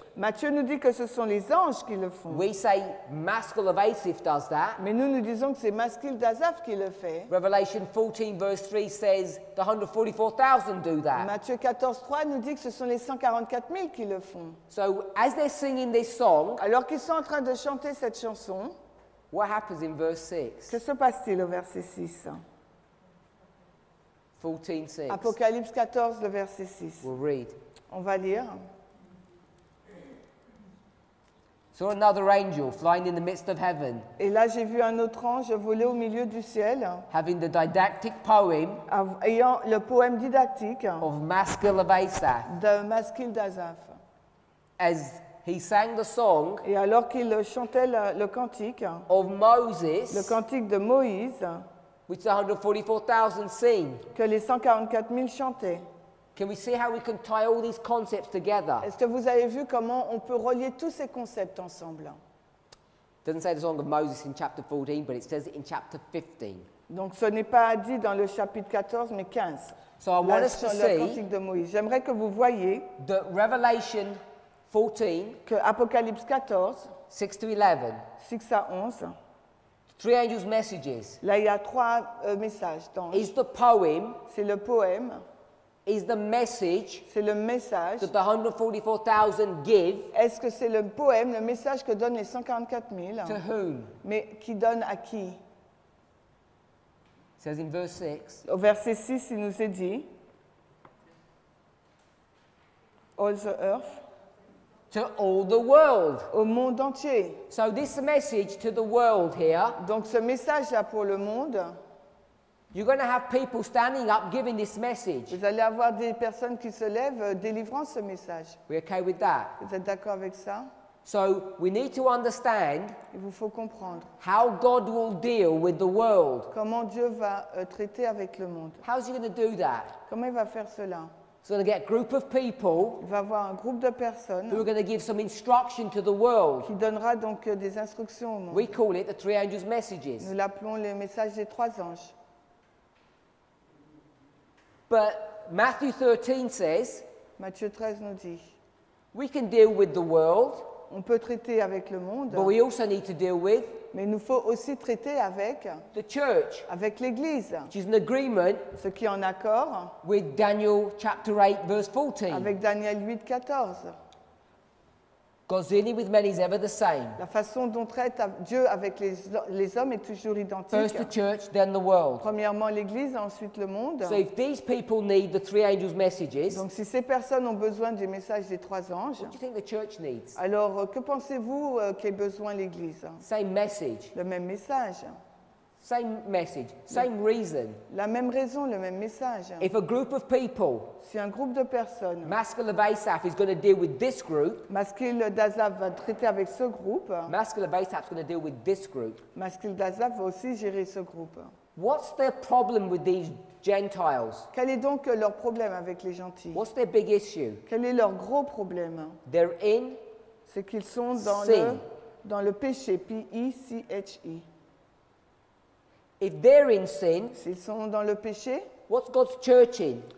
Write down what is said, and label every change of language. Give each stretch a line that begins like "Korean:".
French: Matthieu nous dit que ce sont les anges qui le font.
English: We say Maskell of Asaph does that.
French: Mais nous disons que c'est Maskell d'Asaph qui le fait.
English: Revelation 14 verse 3 says the 144,000 do that.
French: Matthieu 14:3 nous dit que ce sont les 144,000 qui le font.
English: So as they're singing this song,
French: alors qu'ils sont en train de chanter cette chanson,
English: what happens in verse 6?
French: Que se passe-t-il au verset 6?
English: 14:6.
French: Apocalypse 14, le verset 6.
English: We'll read.
French: On va lire.
English: So another angel flying in the midst of heaven.
French: Et là, j'ai vu un autre ange voler au milieu du ciel.
English: Having the didactic poem.
French: Ayant le poème didactique.
English: Of Maskell of Asaph.
French: De Maskell d'Asaph.
English: As he sang the song.
French: Et alors qu'il chantait le cantique.
English: Of Moses.
French: Le cantique de Moïse.
English: Which the 144,000 sing.
French: Que les 144,000 chantaient.
English: Can we see how we can tie all these concepts together?
French: Est-ce que vous avez vu comment on peut relier tous ces concepts ensemble?
English: Doesn't say the song of Moses in chapter 14, but it says it in chapter 15.
French: Donc ce n'est pas dit dans le chapitre 14, mais 15.
English: So I want us to see.
French: Le cantique de Moïse. J'aimerais que vous voyiez.
English: The Revelation 14.
French: Que Apocalypse 14.
English: 6 to 11.
French: 6 à 11.
English: Three angels' messages.
French: Là, il y a trois messages d'anges.
English: Is the poem?
French: C'est le poème.
English: Is the message?
French: C'est le message.
English: That the 144,000 give.
French: Est-ce que c'est le poème, le message que donnent les 144,000?
English: To whom?
French: Mais qui donne à qui?
English: It says in verse 6.
French: Au verset 6, il nous est dit.
English: All the earth. To all the world.
French: Au monde entier.
English: So this message to the world here.
French: Donc ce message là pour le monde.
English: You're going to have people standing up giving this message.
French: Vous allez avoir des personnes qui se lèvent délivrant ce message.
English: We're okay with that.
French: Vous êtes d'accord avec ça?
English: So we need to understand.
French: Il vous faut comprendre.
English: How God will deal with the world.
French: Comment Dieu va traiter avec le monde.
English: How's he going to do that?
French: Comment il va faire cela?
English: So going to get a group of people.
French: Il va avoir un groupe de personnes.
English: Who are going to give some instruction to the world.
French: Qui donnera donc des instructions au monde.
English: We call it the three angels' messages.
French: Nous l'appelons les messages des trois anges.
English: But Matthew 13 says.
French: Matthieu 13 nous dit.
English: We can deal with the world.
French: On peut traiter avec le monde.
English: But we also need to deal with.
French: Mais il nous faut aussi traiter avec.
English: The church.
French: Avec l'Église.
English: Which is an agreement.
French: Ce qui est en accord.
English: With Daniel chapter 8 verse 14.
French: Avec Daniel 8, 14.
English: Concerning with men is ever the same.
French: La façon dont traite Dieu avec les hommes est toujours identique.
English: First the church, then the world.
French: Premièrement l'Église, ensuite le monde.
English: So if these people need the three angels' messages.
French: Donc si ces personnes ont besoin du message des trois anges.
English: What do you think the church needs?
French: Alors que pensez-vous qu'ait besoin l'Église?
English: Same message.
French: Le même message.
English: Same message, same reason.
French: La même raison, le même message.
English: If a group of people,
French: si un groupe de personnes,
English: Maskell of Asaph is going to deal with this group,
French: Maskell d'Asaph va traiter avec ce groupe,
English: Maskell of Asaph is going to deal with this group,
French: Maskell d'Asaph va aussi gérer ce groupe.
English: What's their problem with these Gentiles?
French: Quel est donc leur problème avec les gentils?
English: What's their big issue?
French: Quel est leur gros problème?
English: They're in.
French: C'est qu'ils sont dans
English: sin.
French: dans le péché, P-E-C-H-E.
English: If they're in sin,
French: s'ils sont dans le péché,
English: what's God's church in?